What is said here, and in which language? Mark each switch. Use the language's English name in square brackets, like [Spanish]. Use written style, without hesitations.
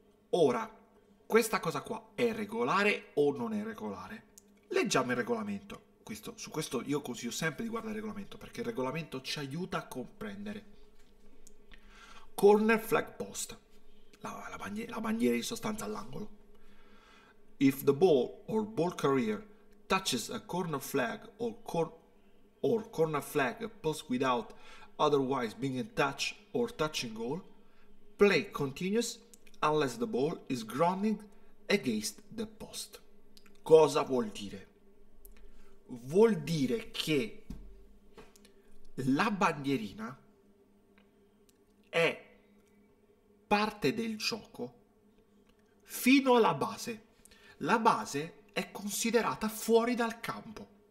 [Italian] Ora, questa cosa qua è regolare o non è regolare? Leggiamo il regolamento. Su questo io consiglio sempre di guardare il regolamento perché il regolamento ci aiuta a comprendere. [English] Corner flag post, [Italian] la bandiera in sostanza all'angolo. [English] If the ball or ball carrier touches a corner flag or corner flag post without otherwise being in touch or touching goal, play continues unless the ball is grounding against the post. [Italian] Cosa vuol dire? Vuol dire che la bandierina è parte del gioco fino alla base. La base è considerata fuori dal campo.